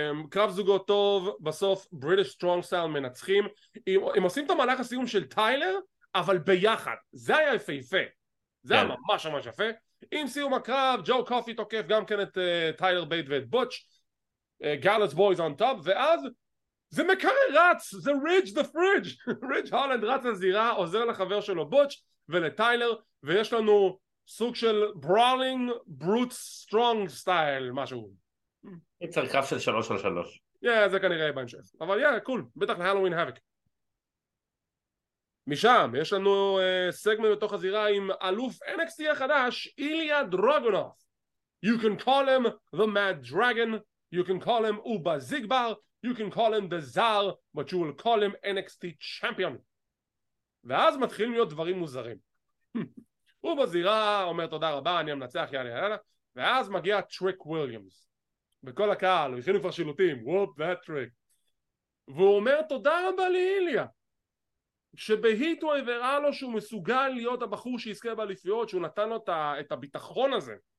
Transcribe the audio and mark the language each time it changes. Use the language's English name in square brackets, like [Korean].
[Hebrew] קרב זוגות טוב, בסוף British Strong Style מנצחים, הם עושים את המהלך הסיום של טיילר, אבל ביחד, זה היה יפהפה, זה היה ממש ממש יפה. עם סיום הקרב, ג'ו קופי תוקף גם כן את טיילר בייט ואת בוטש, גאלס בויז און טופ, ואז זה מקרה רץ, זה ריג' דה פריג', ריג' הולנד רץ לזירה, עוזר לחבר שלו בוטש ולטיילר, ויש לנו סוג של [English] brawling brute strong style משהו. [Hebrew] יצר קרב של 3-3. Yeah, זה כנראה בהמשך. [English] אבל yeah, cool. [Hebrew] בטח להלווין הווק. משם, יש לנו סגמנט בתוך הזירה עם אלוף NXT החדש, איליה דרגונוף. [English] You can call him the mad dragon, you can call him Uba Zigbar, you can call him the czar, but you will call him NXT champion. [Hebrew] ואז מתחילים להיות דברים מוזרים. הוא בזירה אומר תודה רבה, אני המנצח, יאללה יאללה, ואז מגיע טריק וויליאמס. בכל הקהל, הוא התחיל עם פרשילותים, וופ, [English] that trick. [Hebrew] והוא אומר תודה רבה לאיליה. שבהיט הוא העברה לו שהוא מסוגל להיות הבחור שיזכה באליפיות, שהוא נתן לו את הביטחון הזה.